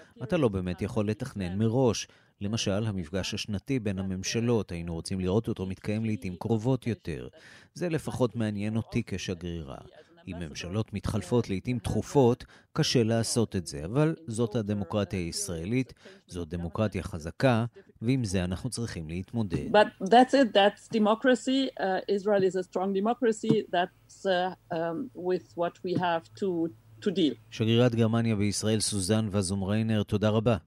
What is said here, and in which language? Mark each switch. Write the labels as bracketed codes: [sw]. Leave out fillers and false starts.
[he] אתה לא באמת יכול לתכנן מראש. למשל, המפגש השנתי בין הממשלות, היינו רוצים לראות אותו מתקיים לעתים קרובות יותר. זה לפחות מעניין אותי כשגרירה. אם ממשלות מתחלפות לעתים תחופות, קשה לעשות את זה. אבל זאת הדמוקרטיה הישראלית, זאת דמוקרטיה חזקה, ועם זה אנחנו צריכים להתמודד. [en] But that's it, that's democracy. Israel is a strong democracy. That's with what we have to deal. [he] שגרירת גרמניה בישראל, סוזן וזומריינר, תודה רבה.